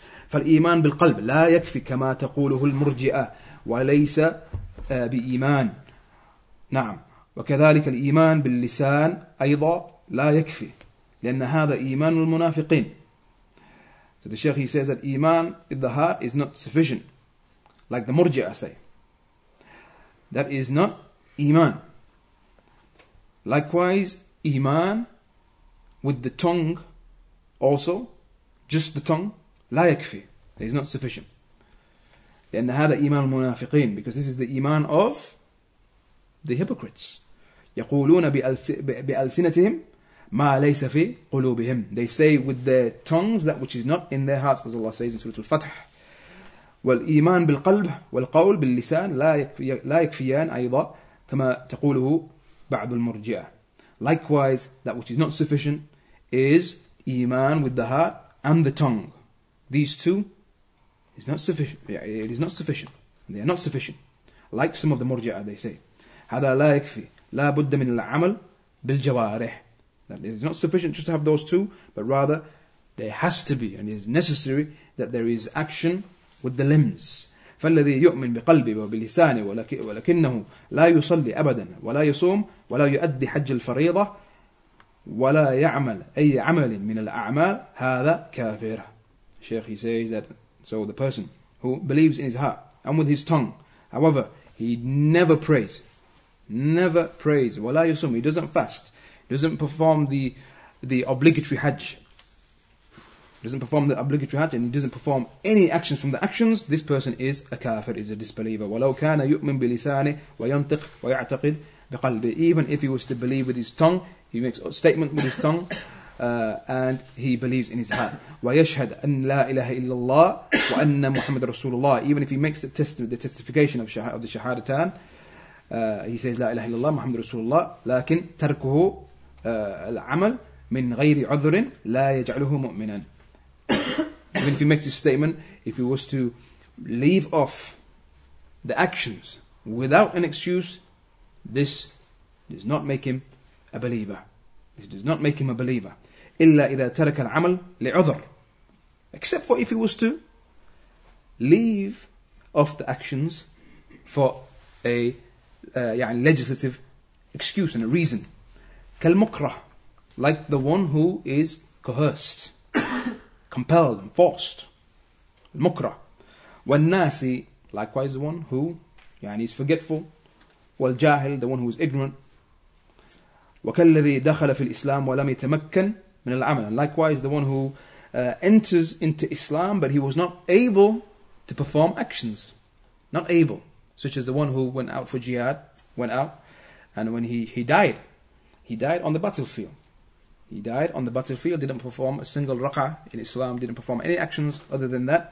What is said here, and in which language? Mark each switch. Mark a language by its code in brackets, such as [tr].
[ar] فالإيمان بالقلب لا يكفي كما تقوله المرجئة وليس بإيمان. نعم. وكذلك الإيمان باللسان أيضا لا يكفي لأن هذا إيمان المنافقين. [en] So the Sheikh, he says that إيمان in the heart is not sufficient, like the murji'ah say. That is not إيمان. Likewise, إيمان with the tongue also, just the tongue, [ar] لا يكفي, [en] is not sufficient. [ar] لأن هذا إيمان المنافقين, [en] because this is the إيمان of the hypocrites. [ar] يقولون بألسنتهم ما ليس في قلوبهم. [en] They say with their tongues that which is not in their hearts, as Allah says in Surah Al-Fatih. [ar] والإيمان بالقلب والقول باللسان لا يكفيان أيضا كما تقوله بعض المرجئة. [en] Likewise, that which is not sufficient is Iman with the heart and the tongue. These two is not sufficient. It is not sufficient. They are not sufficient. Like some of the murji'ah, they say. [ar] هذا لا يكفي. لا بد من العمل بالجوارح. [en] That it is not sufficient just to have those two, but rather there has to be and is necessary that there is action with the limbs. [ar] فالذي يؤمن بقلبه وبلسانه ولكنه لا يصلي أبدا ولا يصوم ولا يؤدي حج الفريضة ولا يعمل أي عمل من الأعمال هذا كافر. [en] Sheikh, he says that so the person who believes in his heart and with his tongue, however, he never prays, [ar] ولا يصوم, [en] he doesn't fast, doesn't perform the obligatory Hajj, and he doesn't perform any actions from the actions, this person is a kafir, is a disbeliever. [ar] ولو كان يؤمن بلسانه وينطق ويعتقد بقلبه, [en] even if he was to believe with his tongue, he makes a statement with his tongue, and he believes in his heart. [ar] ويشهد أن لا إله إلا الله وأن محمد رسول الله. [en] Even if he makes the testification of the shahadatan, he says [ar] لا إله إلا الله محمد رسول الله. لكن تركه العمل من غير عذر لا يجعله مؤمنا. [en] Even if he makes this statement, if he was to leave off the actions without an excuse, this does not make him a believer. This does not make him a believer. [ar] إلا إذا ترك العمل لعذر. [en] Except for if he was to leave off the actions for a يعني legislative excuse and a reason. كالمكره, like the one who is coerced, compelled and forced. المكره. والناسي, likewise the one who يعني is forgetful. والجاهل, the one who is ignorant. [ar] وكالذي دخل في الإسلام ولم يتمكن من العمل. [en] And likewise, the one who enters into Islam, but he was not able to perform actions. Not able. Such as the one who went out for jihad, went out And when he died on the battlefield. He died on the battlefield, didn't perform a single raqah in Islam, didn't perform any actions other than that.